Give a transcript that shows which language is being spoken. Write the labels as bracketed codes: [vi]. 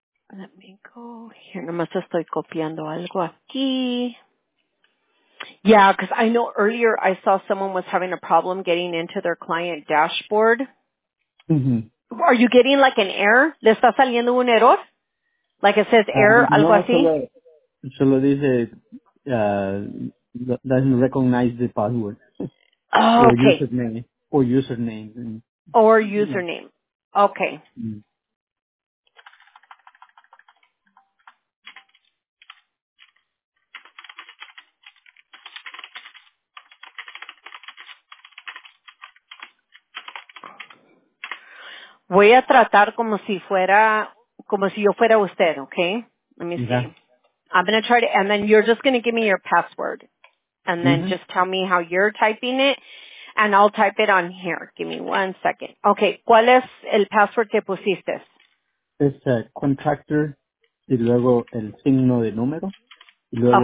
[en] Let me go here. [es] Nomás estoy copiando algo aquí. [en] Yeah, because I know earlier I saw someone was having a problem getting into their client dashboard. Mm-hmm. Are you getting like an error? [es] ¿Le está saliendo un error? [en] Like it says error, [es] algo así? Solo dice [en] doesn't recognize the password. Oh, okay. Or username. Or username. Or username. Yeah. Okay. [es] Voy a tratar como si fuera, como si yo fuera usted, okay? [en] Let me see. Yeah. I'm going to try to, and then you're just going to give me your password. And then just tell me how you're typing it, and I'll type it on here. Give me one second. Okay, [es] ¿cuál es el password que pusiste? Es contractor, y luego el signo de número, y luego